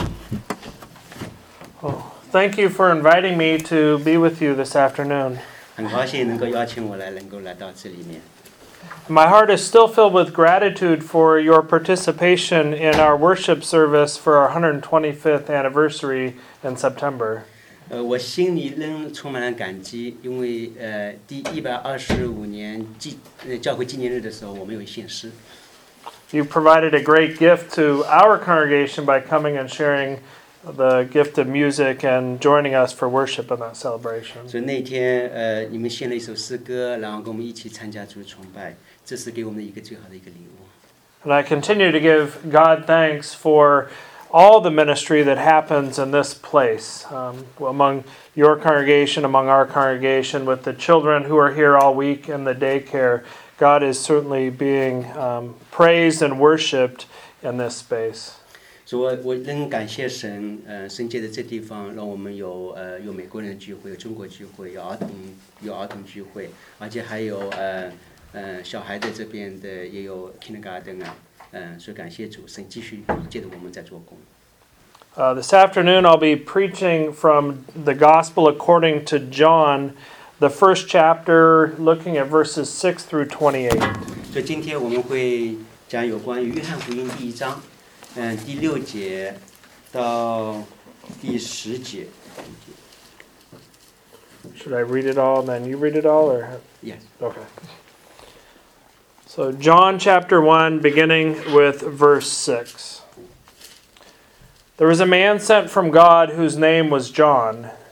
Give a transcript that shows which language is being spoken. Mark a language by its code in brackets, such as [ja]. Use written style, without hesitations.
[en] Thank you for inviting me to be with you this afternoon. [zh] 很高兴能够邀请我来，能够来到这里面。 [en] My heart is still filled with gratitude for your participation in our worship service for our 125th anniversary in September. [zh] 我心里仍充满了感激，因为第125年教会纪念日的时候，我们有献诗。 [en] You provided a great gift to our congregation by coming and sharing the gift of music and joining us for worship in that celebration. [zh] 所以那天，你们献了一首诗歌，然后跟我们一起参加主日崇拜，这是给我们的一个最好的一个礼物。 [en] And I continue to give God thanks for all the ministry that happens in this place, among your congregation, among our congregation, with the children who are here all week in the daycare. God is certainly being praised and worshipped in this space. [zh] 主，我仍感谢神，神借着这地方让我们有有美国人聚会，有中国聚会，有儿童聚会，而且还有小孩子这边的也有 kindergarten 啊，所以感谢主，神继续借着我们在做工。 [en] This afternoon I'll be preaching from the Gospel according to John. The first chapter, looking at verses 6 through 28. [zh] 所以今天我们会讲有关于约翰福音第一章，第六节到第十节。 [en] Should I read it all, and then you read it all, or? Yes. Okay. So John chapter 1, beginning with verse 6. There was a man sent from God whose name was John.